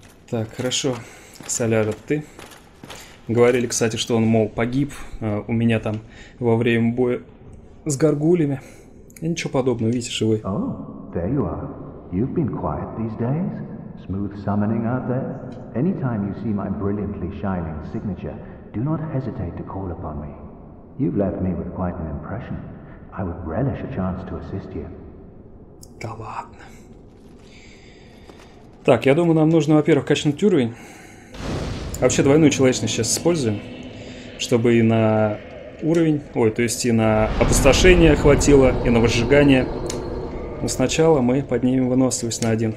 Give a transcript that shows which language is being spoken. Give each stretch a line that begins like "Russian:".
Russian: Так, хорошо. Соляра, ты. Говорили, кстати, что он, мол, погиб у меня там во время боя с гаргулями. И ничего подобного, видите, живой.
English: О, there you are. You've been quiet these days. Smooth summoning out there. Anytime you see my brilliantly shining signature, do not hesitate to call upon me. You've left me with quite an impression. I would relish a chance to assist you.
Russian: Да ладно. Так, я думаю, нам нужно, во-первых, качнуть уровень. Вообще, двойную человечность сейчас используем, чтобы и на уровень, ой, то есть и на опустошение хватило, и на выжигание. Но сначала мы поднимем выносливость на один.